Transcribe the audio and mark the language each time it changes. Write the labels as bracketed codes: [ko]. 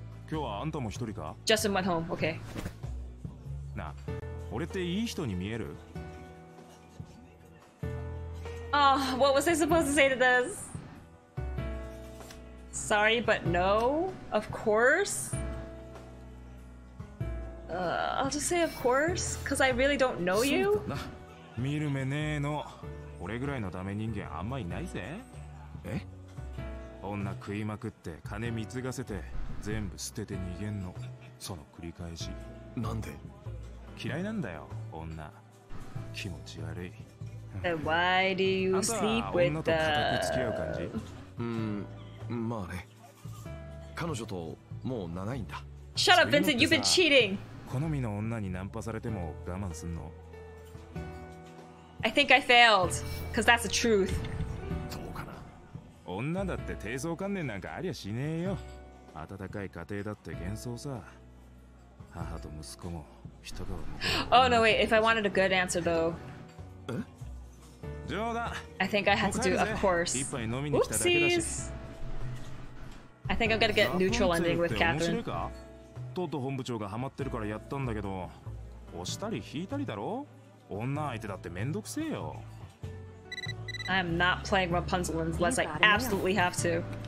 [ja] 今日はあんたも一人か。ジャスミン [en] went home. Okay. [ja] な、俺っていい人に見える？ [en] Oh, what was I supposed to say to this? Sorry, but no. Of course. I'll just say of course, because I really don't know you. [ja] な、見る目ねえの。俺ぐらいのダメ人間あんまいないぜ。え？女食いまくって金貢がせて。全部捨てて逃げんの、その繰り返し。なんで？嫌いなんだよ、女。気持ち悪い。 [en] Then why do you sleep with [ja] the？ あんたは女と固く付き合う感じ？まあね。彼女ともう長いんだ。 [en] Shut up, Vincent. You've been cheating. [ja] 好みの女にナンパされても我慢すんの？ [en] I think I failed, because that's the truth. [ja] どうかな。女だって低層観念なんかありゃしねえよ。温かい家庭だって幻想さ。母と息子も人が [en] Oh no wait, if I wanted a good answer though. [ja] え？冗談。 [en] I think I had to do of course. [ja] 一杯飲みに来ただけだし。 [en] I think I'm gonna get neutral ending with Catherine. [ja] トト本部長がハマってるからやったんだけど、押したり引いたりだろ？女相手だってめんどくせえよ。 [en] I'm not playing Rapunzel unless I absolutely have to.